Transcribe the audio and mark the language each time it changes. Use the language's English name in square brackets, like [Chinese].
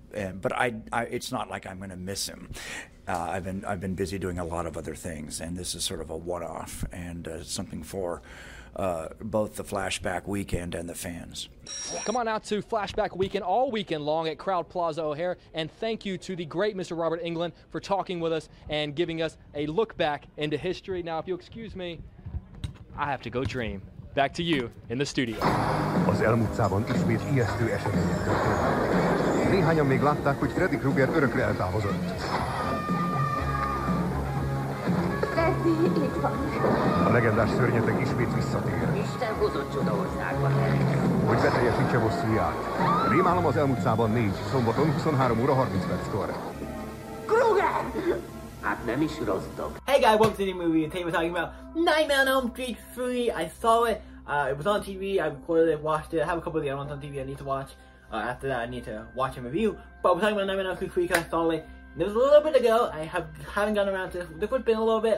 [English] But I it's not like I'm going to miss him. I've been busy doing a lot of other things, and this is sort of a one-off and something for both the Flashback Weekend and the fans. Come on out to Flashback Weekend all weekend long at Crowd Plaza O'Hare, and thank you to the great Mr. Robert Englund for talking with us and giving us a look back into history. Now, if you'll excuse me, I have to go dream. Back to you in the studio. [Hungarian] Az elmúlt szában ismét ijesztő események történtek. Néhányan még látták, hogy Freddy Krueger örökre eltávozott. A legendás szörnyeteg ismét visszatér. Isten hozott Csodaországba. Hogy beteljesítse bosszúját. Rémálom az elmúlt szában négy, szombaton 23 óra 30 perckor. Krueger! Hát nem is rosszok. [English] Hey guys, welcome to the movie. Today we're talking about Nightmare on Elm Street 3. I saw it. It was on TV. I recorded it, watched it. I have a couple of the other ones on TV I need to watch. After that, I need to watch and review. But we're talking about Nightmare on Elm Street 3. I saw it. There was a little bit to go. I haven't gotten around to it. There could have been a little bit.